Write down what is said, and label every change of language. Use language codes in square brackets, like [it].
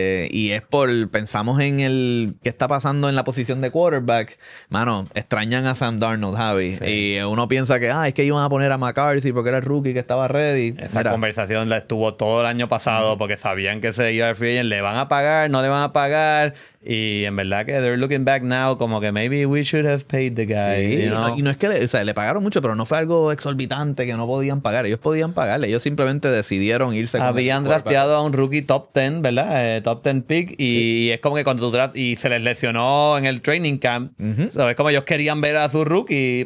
[es] Y es por, pensamos en el que está pasando en la posición de quarterback. Mano, extrañan a Sam Darnold, Javi. Sí. Y uno piensa que es que iban a poner a McCarthy porque era el rookie que estaba ready. Esa conversación la estuvo todo el año pasado porque sabían que se iba a free agent. ¿Le van a pagar? ¿No le van a pagar? Y en verdad que [en] they're looking back now [es] como que [en] maybe we should have paid the guy. [es] Sí. [en] You know? [es] Y no es que le pagaron mucho, pero no fue algo exorbitante que no podían pagar. Ellos podían pagarle. Ellos simplemente decidieron irse. Habían drafteado a un rookie top 10, ¿verdad? [en] Top 10 pick. [es] Y es como que cuando tú y se les lesionó en el training camp. Es como ellos querían ver a su rookie.